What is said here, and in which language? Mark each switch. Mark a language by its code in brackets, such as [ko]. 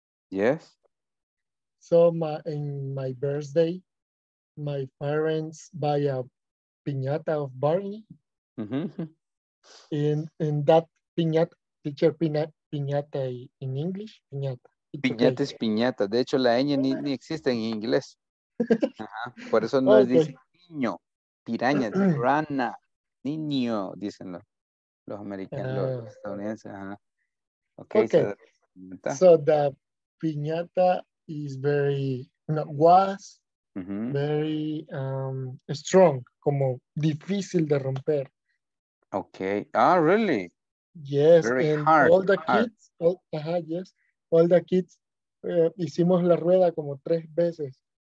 [en] Yes. So in my birthday, my parents buy a piñata of Barney. Mm-hmm. In that piñata, teacher piñata in English, piñata. [es] Piñata es piñata. De hecho, la ñ ni existe en inglés. Ajá. Por eso no okay. Les dice niño, piraña, rana, niño, dicen los americanos, los estadounidenses. Ajá. [en] Okay. So the piñata is very, no, was mm-hmm. very strong, [es] como difícil de romper. [en] Okay. Ah, really? Yes. Very and hard. All the kids, all, uh-huh, yes. All the kids, [es] hicimos la rueda como tres veces.